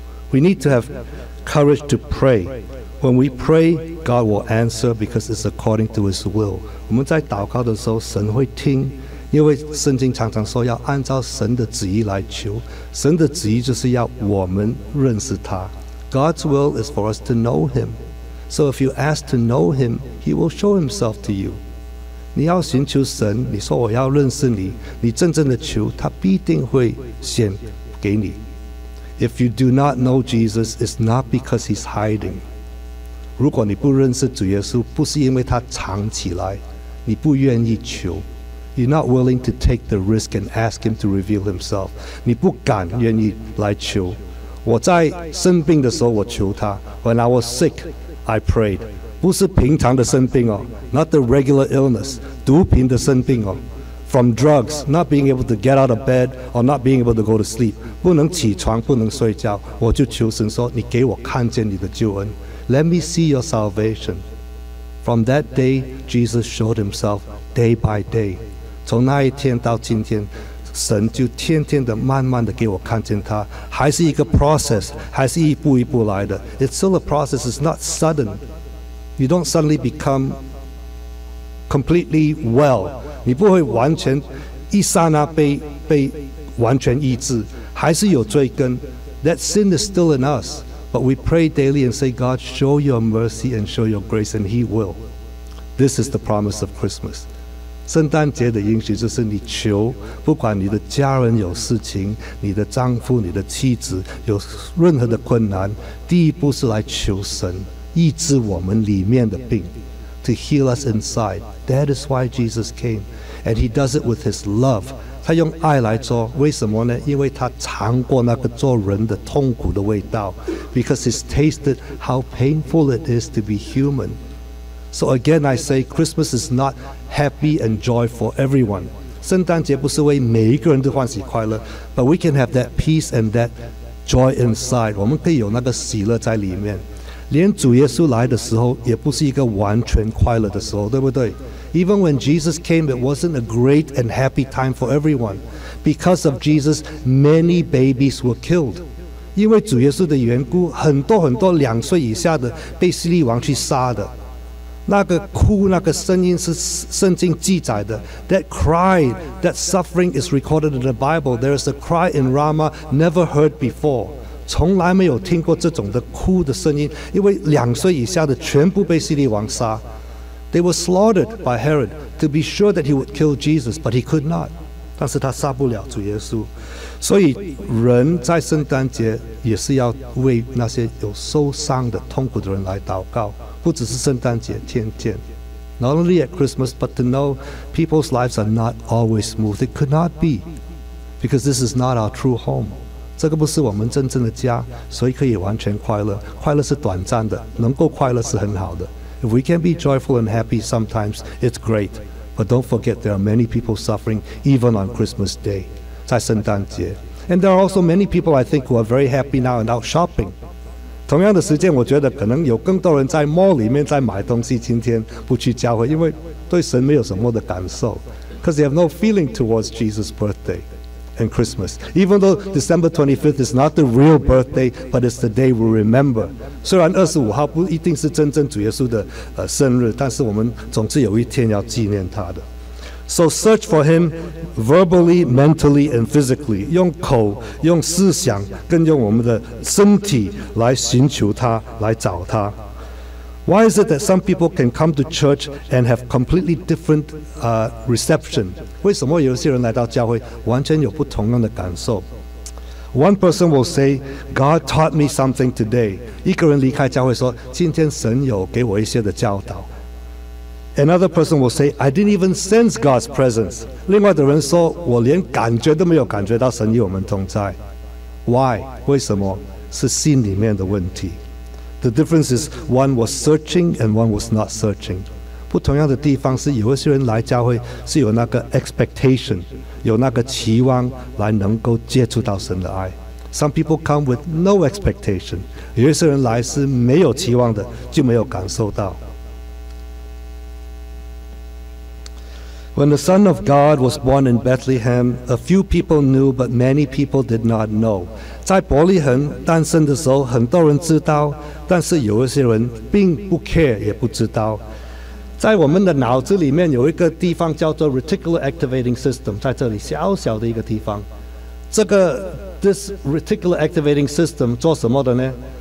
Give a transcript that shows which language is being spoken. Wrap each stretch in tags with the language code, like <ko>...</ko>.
<en>We need to have courage to pray. When we pray, God will answer because it's according to His will.</en> <zh>我们在祷告的时候，神会听，因为圣经常常说要按照神的旨意来求，神的旨意就是要我们认识他。</zh> <en>God's will is for us to know him. So if you ask to know him, he will show himself to you.</en> <zh>你要寻求神，你说我要认识你，你真正的求，他必定会显给你。</zh> <en>If you do not know Jesus, it's not because he's hiding.</en> <zh>如果你不认识主耶稣，不是因为他藏起来，你不愿意求。</zh> <en>You're not willing to take the risk and ask him to reveal himself.</en> <zh>你不敢愿意来求。我在生病的时候我求他。</zh> <en>When I was sick, I prayed.</en> <zh>不是平常的生病哦。</zh> <en>Not the regular illness.</en> <zh>毒品的生病哦。</zh> <en>From drugs, not being able to get out of bed or not being able to go to sleep.</en> <zh>不能起床，不能睡觉。我就求神说，你给我看见你的救恩。</zh> <en>Let me see your salvation. From that day, Jesus showed himself day by day.</en> <zh>从那一天到今天，神就天天的、慢慢的给我看见他，还是一个 process， 还是一步一步来的。</zh> <en>It's still a process. It's not sudden. You don't suddenly become completely well.</en> <zh>你不会完全一刹那被完全医治，还是有罪根。</zh> <en>That sin is still in us, but we pray daily and say, God, show your mercy and show your grace, and He will. This is the promise of Christmas.</en> <zh>圣诞节的应许就是你求，不管你的家人有事情，你的丈夫、你的妻子有任何的困难，第一步是来求神医治我们里面的病。</zh> <en>To heal us inside. That is why Jesus came. And he does it with his love.</en> <zh>他用爱来做，为什么呢？因为他尝过那个做人的痛苦的味道。</zh> <en>Because he's tasted how painful it is to be human. So again, I say Christmas is not happy and joy for everyone.</en> <zh>圣诞节不是为每一个人都欢喜快乐，</zh> <en>but we can have that peace and that joy inside.</en> <zh>我们可以有那个喜乐在里面。连主耶稣来的时候也不是一个完全快乐的时候，对不对？</zh> <en>Even when Jesus came, it wasn't a great and happy time for everyone. Because of Jesus, many babies were killed.</en> <zh>因为主耶稣的缘故，很多很多两岁以下的被希律王去杀的。那个哭，那个声音是圣经记载的。</zh> <en>That cry, that suffering is recorded in the Bible. There is a cry in Ramah never heard before.</en> <zh>从来没有听过这种的哭的声音，因为两岁以下的全部被希律王杀。</zh> <en>They were slaughtered by Herod to be sure that he would kill Jesus, but he could not.</en> <zh>但是他杀不了主耶稣。所以人在圣诞节也是要为那些有受伤的、痛苦的人来祷告。不只是圣诞节，天天。</zh> <en>Not only at Christmas, but to know people's lives are not always smooth. It could not be, because this is not our true home.</en> <zh>这个不是我们真正的家，所以可以完全快乐。快乐是短暂的，能够快乐是很好的。</zh> <en>If we can be joyful and happy sometimes, it's great. But don't forget there are many people suffering even on Christmas Day.</en> <zh>在圣诞节。</zh> <en>And there are also many people, I think, who are very happy now and out shopping.</en> <zh>同样的时间，我觉得可能有更多人在 mall 里面在买东西。今天不去教会，因为对神没有什么的感受。</zh> <en>Because they have no feeling towards Jesus' birthday and Christmas. Even though December 25th is not the real birthday, but it's the day we remember.</en> <zh>虽然二十五号不一定是真正主耶稣的生日，但是我们总是有一天要纪念他的。</zh> <en>So search for him verbally, mentally, and physically.</en> <zh>用口、用思想跟用我们的身体来寻求他、来找他。</zh> <en>Why is it that some people can come to church and have completely different reception?</en> <zh>为什么有些人来到教会完全有不同样的感受？</zh> <en>One person will say, God taught me something today.</en> <zh>一个人离开教会说，今天神有给我一些的教导。</zh> <en>Another person will say, I didn't even sense God's presence.</en> <zh>另外的人说，我连感觉都没有感觉到神与我们同在。</zh> <en>Why?</en> <zh>为什么？是心里面的问题。</zh> <en>The difference is one was searching and one was not searching.</en> <zh>不同样的地方是有一些人来教会是有那个 expectation, 有那个期望来能够接触到神的爱。</zh> <en>Some people come with no expectation.</en> <zh>有一些人来是没有期望的，就没有感受到。</zh> <en>When the Son of God was born in Bethlehem, a few people knew, but many people did not know.</en> <zh>在伯利恒诞生的时候，很多人知道，但是有一些人并不 care， 也不知道。在我们的脑子里面有一个地方叫做 reticular activating system， 在这里小小的一个地方。这个 this reticular activating system 做什么的呢？</zh>